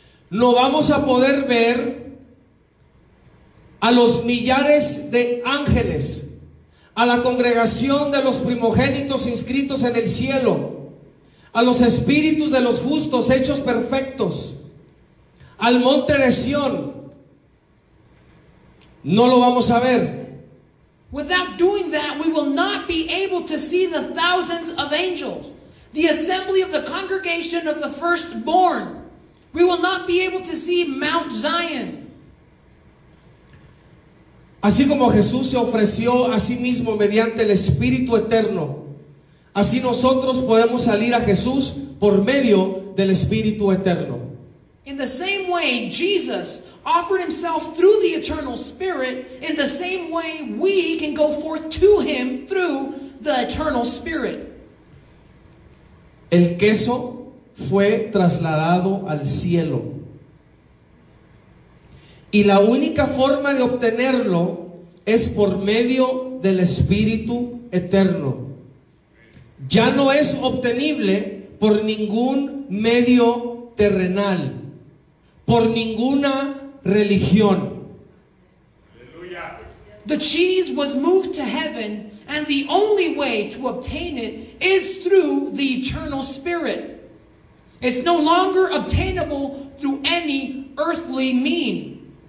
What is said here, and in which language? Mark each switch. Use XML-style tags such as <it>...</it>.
<es>No vamos a poder ver a los millares de ángeles, a la congregación de los primogénitos inscritos en el cielo, a los espíritus de los justos hechos perfectos, al monte de Sion. No lo vamos a ver.</es> <en>Without doing that, we will not be able to see the thousands of angels, the assembly of the congregation of the firstborn. We will not be able to see Mount Zion.</en> <es>Así como Jesús se ofreció a sí mismo mediante el Espíritu Eterno, así nosotros podemos salir a Jesús por medio del Espíritu Eterno.</es> <en>In the same way Jesus offered himself through the Eternal Spirit, in the same way we can go forth to him through the Eternal Spirit.</en> <es>El queso fue trasladado al cielo. Y la única forma de obtenerlo es por medio del Espíritu Eterno. Ya no es obtenible por ningún medio terrenal, por ninguna religión. Aleluya.</es> <en>The cheese was moved to heaven, and the only way to obtain it is through the Eternal Spirit. It's no longer obtainable through any earthly mean.</en>